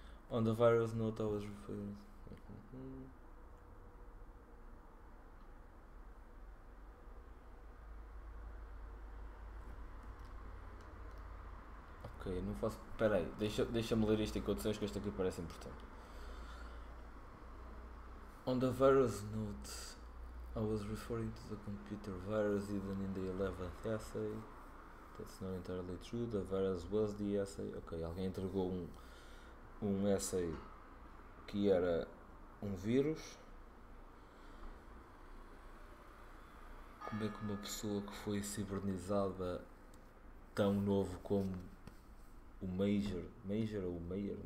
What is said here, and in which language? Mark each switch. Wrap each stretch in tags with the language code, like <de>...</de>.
<en>On the virus note I was referring.</en> <pt>Ok, não faço. Espera aí, deixa-me ler isto em condições que isto aqui parece importante.</pt> <en>On the virus note, I was referring to the computer virus even in the 11th essay. That's not entirely true, the virus was the essay.</en> <pt>Ok, alguém entregou um essay que era um vírus. Como é que uma pessoa que foi cibernizada tão novo como. O Major. Major ou o Mayor?</pt>